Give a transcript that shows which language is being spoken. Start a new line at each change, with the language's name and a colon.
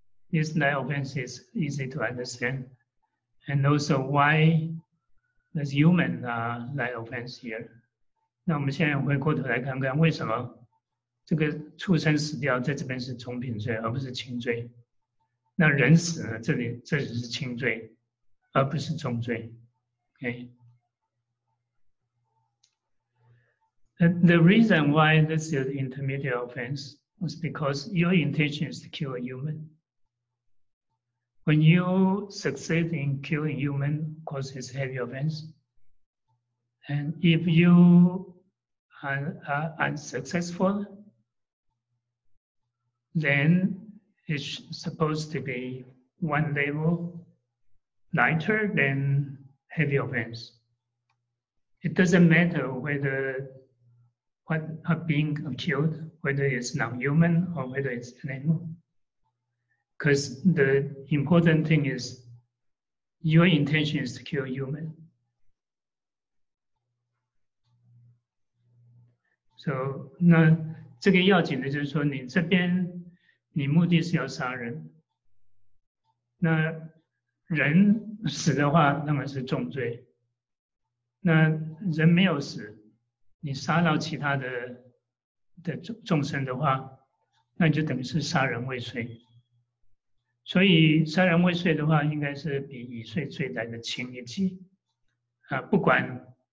English: This life offense is easy to understand, and also why this human life offense here.
Chinese: 那我们现在回过头来看看，为什么这个畜生死掉在这边是重品罪而不是轻罪，那人死呢，这里是轻罪而不是重罪。
English: OK, the reason why this is intermediate offense was because your intention is to kill a human. When you succeed in killing human, of course it's heavy offense, and if youAre unsuccessful, then it's supposed to be one level lighter than heavy offense. It doesn't matter whether what are being killed, whether it's non-human or whether it's animal, because the important thing is your intention is to kill human.
Chinese: So, 那这个要紧的就是说你这边你目的是要杀人，那人死的话那么是重罪，那人没有死你杀到其他 的众生的话，那就等于是杀人未遂，所以杀人未遂的话应该是比已遂罪来的轻一级、不管